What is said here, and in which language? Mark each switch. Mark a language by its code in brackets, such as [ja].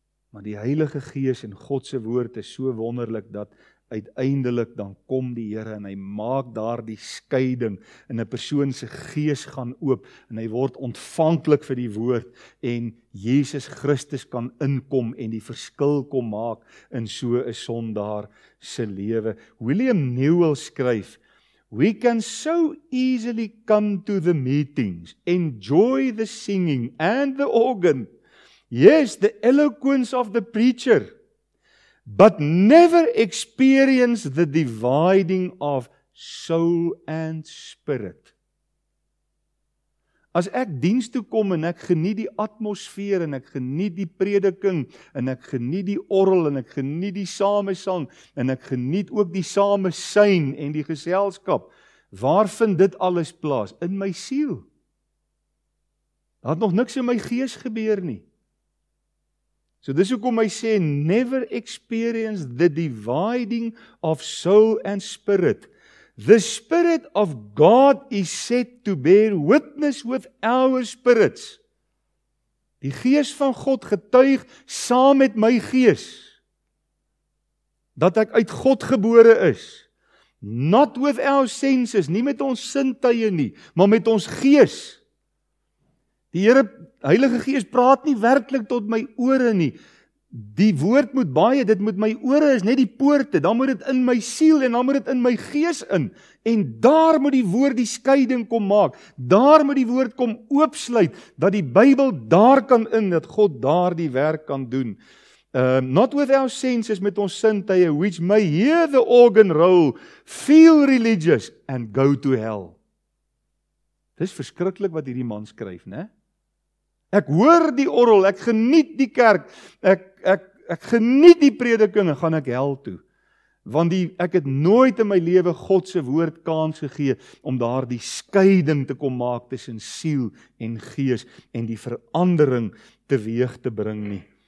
[af] Maar die Heilige Gees en God se woord is so wonderlik, dat uiteindelik dan kom die Here en hy maak daar die skeiding en 'n persoon se gees gaan oop en hy word ontvanklik vir die woord en Jesus Christus kan inkom en die verskil kom maak in so 'n sondaar se lewe. [en] William Newell skryf, "We can so easily come to the meetings, enjoy the singing and the organ, yes, the eloquence of the preacher, but never experience the dividing of soul and spirit." [af] As ek diens toe kom en ek geniet die atmosfeer en ek geniet die prediking en ek geniet die orrel en ek geniet die samesang en ek geniet ook die samesyn en die geselskap, waar vind dit alles plaas? In my siel. Daar het nog niks in my gees gebeur nie. So dis hoekom hy sê, [en] never experience the dividing of soul and spirit. The spirit of God is said to bear witness with our spirits. [af] Die gees van God getuig saam met my gees, dat ek uit God gebore is. [en] Not with our senses, [af] nie met ons sintuie nie, maar met ons gees. Die Here, Heilige Gees praat nie werklik tot my ore nie. Die woord moet baie, dit moet my ore is net die poorte, dan moet dit in my siel en dan moet dit in my gees in. En daar moet die woord die skeiding kom maak, daar moet die woord kom oopsluit, dat die Bybel daar kan in, dat God daar die werk kan doen. [en] Not with our senses, [af] met ons sintuie, [en] which may hear the organ roll, feel religious and go to hell. [af] Dis verskriklik wat hierdie man skryf, né? Ek hoor die orrel, ek geniet die kerk, ek geniet die prediking en gaan ek hel toe. Want ek het nooit in my lewe God se woord kans gegee om daar die skeiding te kom maak tussen siel en gees en die verandering teweeg te bring nie.